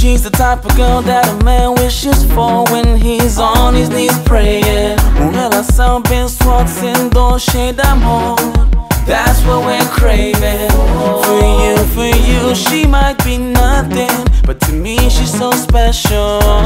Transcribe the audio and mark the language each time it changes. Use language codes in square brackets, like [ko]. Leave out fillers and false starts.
[en] Type of girl that a man wishes for when he's on his knees praying. [pt] Um relação bem suave, sendo cheio de amor. [en] That's what we're craving. For you, she might be nothing, but to me she's so special.